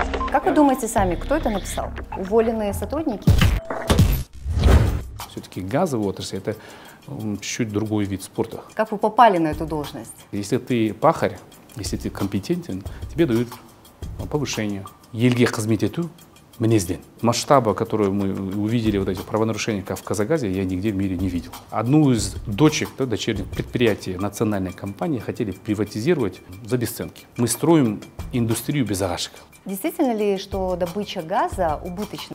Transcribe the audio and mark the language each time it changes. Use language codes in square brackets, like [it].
[ru] Как вы думаете сами, кто это написал? Уволенные сотрудники? Все-таки газовая отрасль – это чуть-чуть другой вид спорта. Как вы попали на эту должность? Если ты пахарь, если ты компетентен, тебе дают повышение. [kk] Елге қызмет ету мінезден. [ru] Масштаба, которую мы увидели, вот эти правонарушения в Казагазе, я нигде в мире не видел. Одну из дочек, да, дочерних предприятий национальной компании хотели приватизировать за бесценки. Мы строим индустрию без агашек. Действительно ли, что добыча газа убыточна?